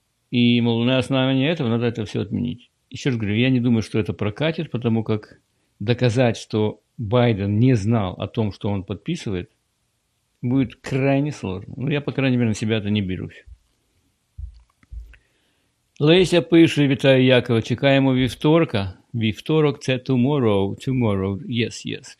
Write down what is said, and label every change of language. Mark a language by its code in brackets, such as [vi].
[ru] И, мол, на основании этого надо это все отменить. Еще раз говорю, я не думаю, что это прокатит, потому как доказать, что Байден не знал о том, что он подписывает, будет крайне сложно. Ну, я, по крайней мере, на себя это не берусь. [uk] Леся пише, вітаю Якова, чекаємо вівторка. Вівторок – це [en] tomorrow, tomorrow, yes, yes.